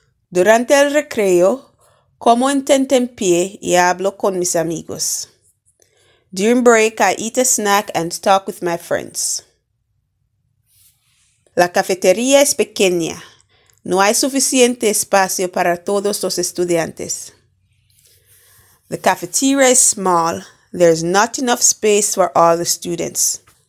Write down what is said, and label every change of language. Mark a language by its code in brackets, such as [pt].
[es] Durante el recreo, como en tentempié y hablo con mis amigos. [en] During break, I eat a snack and talk with my friends. [es] La cafetería es pequeña. No hay suficiente espacio para todos los estudiantes. [en] The cafeteria is small. There's not enough space for all the students.